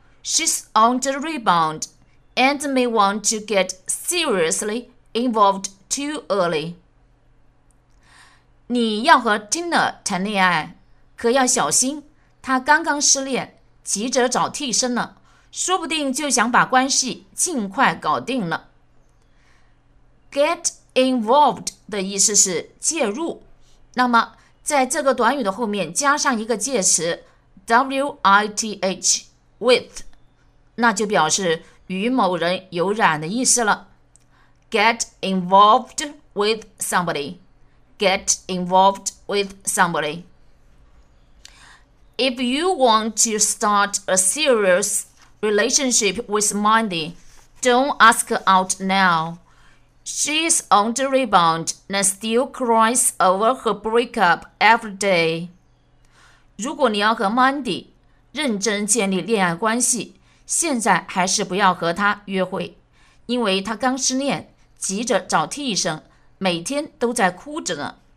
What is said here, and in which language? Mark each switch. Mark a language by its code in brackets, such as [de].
[en] She's on the rebound and may want to get seriously involved too early. [zh] 你要和 Tina 谈恋爱，可要小心，她刚刚失恋，急着找替身呢，说不定就想把关系尽快搞定了。 Get involved 的意思是介入，那么在这个短语的后面加上一个介词 with，那就表示与某人有染的意思了。 [en] Get involved with somebody。 Get involved with somebody. If you want to start a serious relationship with Mandy, don't ask her out now. She's on the rebound and still cries over her breakup every day. [zh] 如果你要和 Mandy 认真建立恋爱关系，现在还是不要和她约会，因为她刚失恋，急着找替身，每天都在哭着呢。